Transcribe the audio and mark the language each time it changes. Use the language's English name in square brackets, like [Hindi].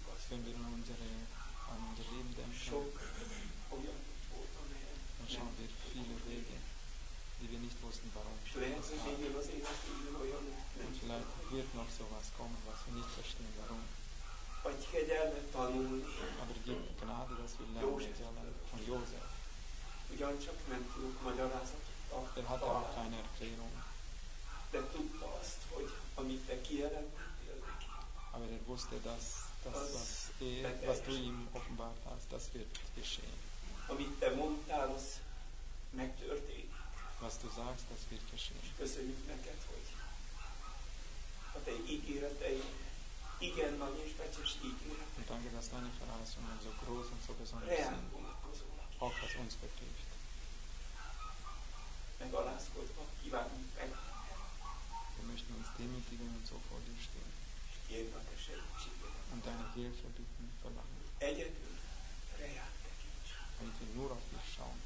[German] Wenn wir an unser Leben denken, dann schauen wir viele Wege, die wir nicht wussten, warum. Und vielleicht wird noch sowas kommen, was wir nicht verstehen, warum. Aber gib Gnade, dass wir lernen von Josef. [Hungarian] Ugyancsak nem tudok magyarázatot találni. Erklärung. De tudta azt, hogy amit te kijelentettél neki. [German] Wusste, was du ihm offenbart hast, das wird geschehen. [Hungarian] Amit te mondtál, az megtörténik. [German] Was du sagst, das wird geschehen. [Hungarian] Köszönjük neked, hogy a te ígéreteid igen nagy és becses ígéret. [German] Und danke, dass deine Verheißungen so groß und so besonders sind. Auch was uns betrifft. Wir möchten uns demütigen und so vor dir stehen. Und deine Hilfe bitten und verlangen. Damit wir nur auf dich schauen.